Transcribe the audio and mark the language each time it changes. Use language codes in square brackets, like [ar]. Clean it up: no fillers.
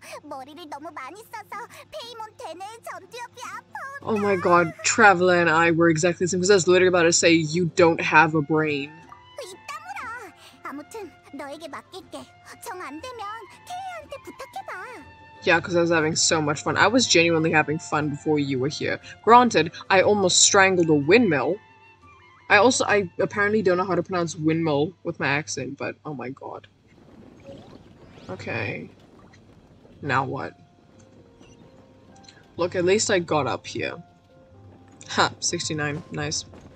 [ko] 머리를 너무 많이 써서 페이몬 대뇌의 전두엽이 아파. [en] Oh my god, Traveler and I were exactly the same, because I was literally about to say, you don't have a brain. [ko] 이따 물어. 아무튼, 너에게 맡길게. 정 안 되면 케이한테 부탁해봐. [en] Yeah, because I was having so much fun. I was genuinely having fun before you were here. Granted, I almost strangled a windmill. I apparently don't know how to pronounce windmill with my accent, but oh my god. Okay. Now what? Look, at least I got up here. Ha, 69. Nice.